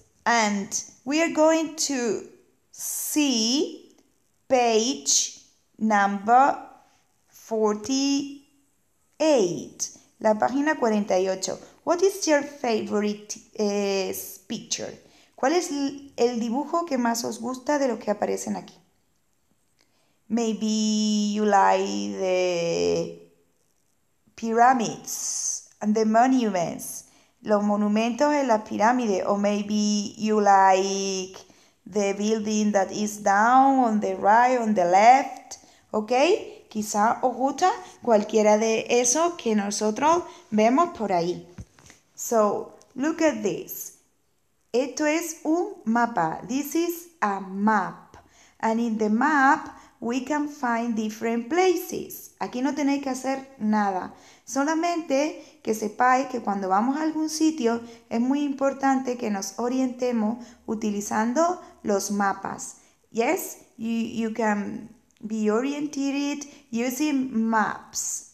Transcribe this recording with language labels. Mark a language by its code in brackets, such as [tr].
[en] And we are going to see page number 48, [es] la página 48. [en] What is your favorite picture? [es] ¿Cuál es el dibujo que más os gusta de lo que aparecen aquí? [en] Maybe you like the pyramids and the monuments. [es] Los monumentos en la pirámide. [en] Or maybe you like the building that is down on the right, on the left. ¿Ok? [es] Quizá os gusta cualquiera de esos que nosotros vemos por ahí. [en] So, look at this. [es] Esto es un mapa. [en] This is a map. And in the map, we can find different places. [es] Aquí no tenéis que hacer nada. Solamente que sepáis que cuando vamos a algún sitio, es muy importante que nos orientemos utilizando los mapas. [en] Yes, you can be oriented using maps.